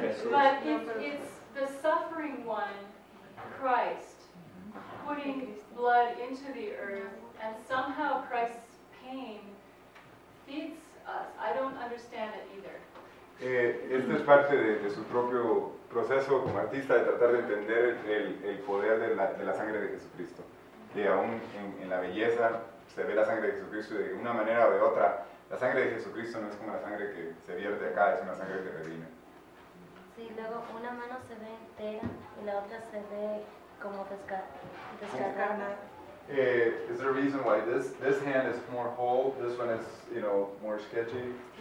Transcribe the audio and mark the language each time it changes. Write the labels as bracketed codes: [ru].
[en] But it's the suffering one, Christ, putting blood into the earth, and somehow Christ's pain feeds us. I don't understand it either. [es] Esto es parte de su propio proceso como artista de tratar de entender el poder de la sangre de Jesucristo, que aún en la belleza se ve la sangre de Jesucristo de una manera o de otra. La sangre de Jesucristo no es como la sangre que se vierte acá, es una sangre que redime. Sí, luego una mano se ve entera y la otra se ve como descargada. [en] Is there a reason why this hand is more whole, this one is, you know, more sketchy?